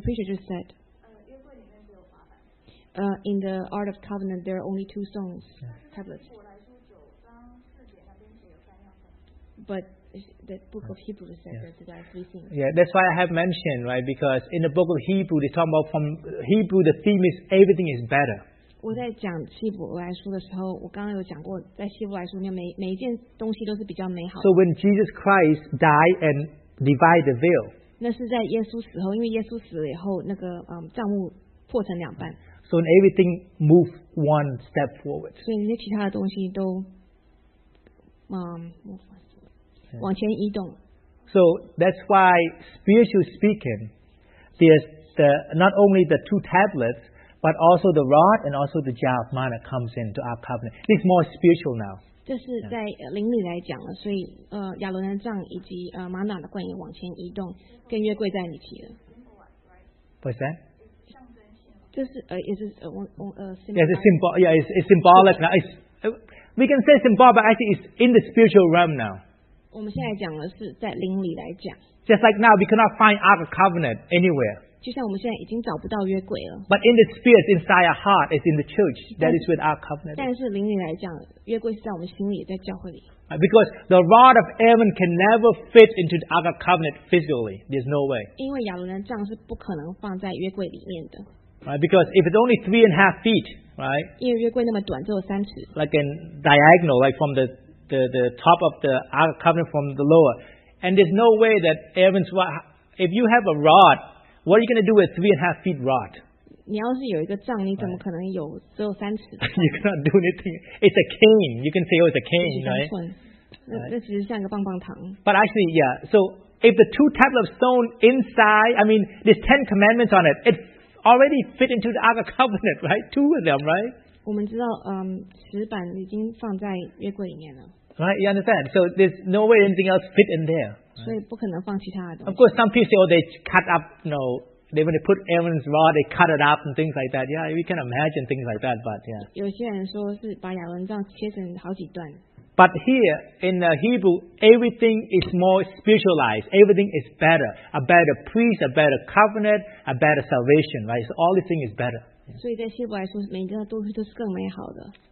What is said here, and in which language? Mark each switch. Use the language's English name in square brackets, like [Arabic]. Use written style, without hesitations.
[English] preacher just said, in the Ark of Covenant, there are only two stones, tablets. But the book of Hebrews says that there are three things. Yeah, that's why I have mentioned, right? Because in the book of Hebrew, they talk about from Hebrew, the theme is everything is better. [Chinese] 我在讲希伯来书的时候，我刚刚有讲过，在希伯来书里面，每一件东西都是比较美好。 [English] So when Jesus Christ died and divided the veil, [Chinese] 那是在耶稣死后，因为耶稣死了以后，那个帐幕破成两半。 [English] So everything moved one step forward. [Chinese] 所以那些其他的东西都往前移动。 [English] So that's why spiritually speaking, there's the not only the two tablets, but also the rod and also the jar of manna comes into our covenant. It's more spiritual now. [Chinese] 这是在灵里来讲了，所以亚伦的杖以及玛纳的冠也往前移动，跟约柜在一起了。 [English] What's that? [Chinese] 这是 [English] It's symbol. Yeah, it's symbolic now. We can say symbolic, but actually it's in the spiritual realm now. [Chinese] 我们现在讲的是在灵里来讲。 [English] Just like now, we cannot find Ark of Covenant anywhere. [Chinese] 就像我们现在已经找不到约柜了。 [English] But in the spirit, inside our heart, it's in the church. That is with Ark of Covenant. [Chinese] 但是灵里来讲，约柜是在我们心里，在教会里。 [English] Because the rod of Aaron can never fit into the Ark of Covenant physically. There's no way. [Chinese] 因为亚伦的杖是不可能放在约柜里面的。 [English] Right, because if it's only 3.5 feet, right? [Chinese] 因为约柜那么短，只有三尺。 [English] Like in diagonal, like from the top of the Ark of Covenant from the lower, and there's no way that Aaron's rod. If you have a rod, what are you going to do with 3.5 feet rod? [Chinese] 你要是有一个杖，你怎么可能有只有三尺？ [English] You cannot do anything. It's a cane. You can say, oh, it's a cane, right? [Chinese] 那其实像一个棒棒糖。 [English] But actually, yeah. So if the two tablets of stone inside, I mean, there's 10 commandments on it. It'sAlready fit into the Ark of Covenant, right? Two of them, right? [Chinese] 我们知道，石板已经放在约柜里面了。 [English] Right, you understand? So there's no way anything else fit in there. [Chinese] 所以不可能放其他的东西。 [English] Of course, some people say, oh, they cut up, you know, they, when they put Aaron's rod, they cut it up and things like that. Yeah, we can imagine things like that, but yeah. [Chinese] 有些人说是把亚伦杖切成好几段。 [English] But here, in the Hebrew, everything is more spiritualized. Everything is better. A better priest, a better covenant, a better salvation, right? So all these things are better. [Chinese] 所以在希伯来说，每个东西都是更美好的。